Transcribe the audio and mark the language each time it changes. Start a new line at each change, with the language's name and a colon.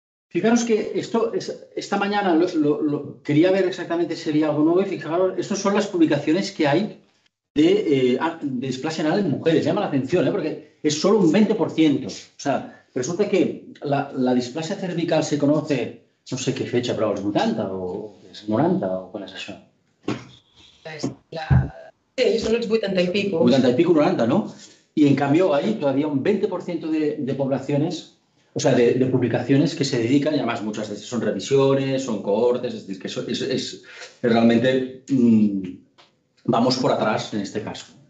Spanish: Fijaros que esta mañana lo quería ver exactamente si había algo nuevo, y fijaros, estas son las publicaciones que hay de displasia anal en mujeres. Llama la atención, porque es solo un 20%. O sea, resulta que la displasia cervical se conoce, no sé qué fecha,
Catalan: però als 80 o als 90 o quan és això? Sí, són els 80 i pico. 80 i pico, 90, no? I en canvi,
Spanish: ahí todavía un 20% de poblaciones, o sea, de publicaciones que se dedican, y además muchas veces son revisiones, son cohortes, es decir, que es realmente vamos por atrás en este caso.